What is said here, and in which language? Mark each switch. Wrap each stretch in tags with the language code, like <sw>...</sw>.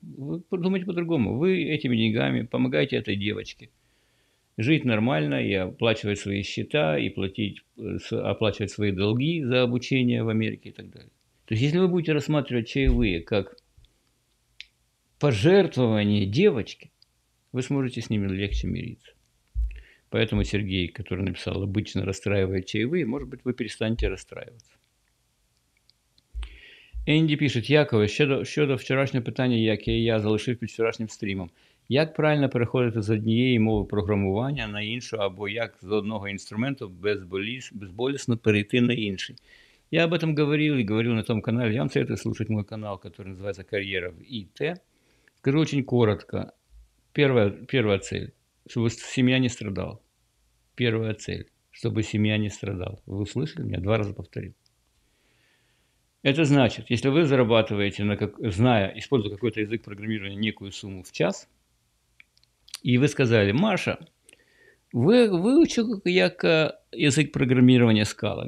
<ru>Вы думайте по-другому. Вы этими деньгами помогаете этой девочке жить нормально и оплачивать свои счета, и оплачивать свои долги за обучение в Америке и так далее. То есть, если вы будете рассматривать чаевые как пожертвование девочки, вы сможете с ними легче мириться. Поэтому Сергей, который написал: «Обычно расстраивает чаевые», может быть, вы перестанете расстраиваться.</ru> <uk>Энди пишет: «Якове, щодо вчорашнього питання, яке я залишив під вчорашнім стрімом. Як правильно переходити з однієї мови програмування на іншу, або як з одного інструменту безболісно перейти на інший?»</uk> <ru>Я об этом говорил и говорил на том канале. Я вам советую слушать мой канал, который называется «Карьера в ІТ». Скажу очень коротко. Первая цель. Чтобы семья не страдала. Первая цель. Чтобы семья не страдала. Вы услышали меня? Два раза повторил. Это значит, если вы зарабатываете, используя какой-то язык программирования, некую сумму в час, и вы сказали: «Маша, вы выучил я язык программирования Scala.</ru>